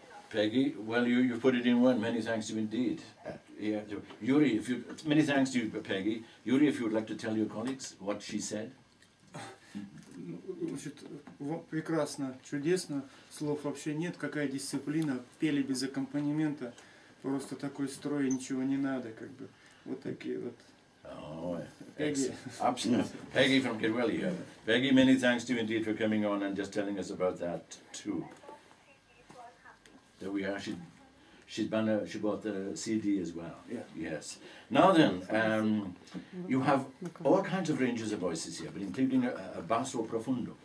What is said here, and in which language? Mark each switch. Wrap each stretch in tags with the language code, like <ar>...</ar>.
<en>Peggy, well, you've put it in one. Many thanks to you indeed. Jurii, if you, many thanks to you, Peggy. Jurii, if you would like to tell your colleagues what she said.</en> <ru>Значит, прекрасно, чудесно. Слов вообще нет. Какая дисциплина. Пели без аккомпанемента. Просто такой строй, ничего не надо, как бы. Вот такие вот.</ru> <en>Excellent. Peggy from Kidwelly. Peggy, many thanks to you indeed for coming on and just telling us about that too. There we are. She bought the CD as well. Yeah. Yes. Now then, you have all kinds of ranges of voices here, but including a Basso Profundo.</en>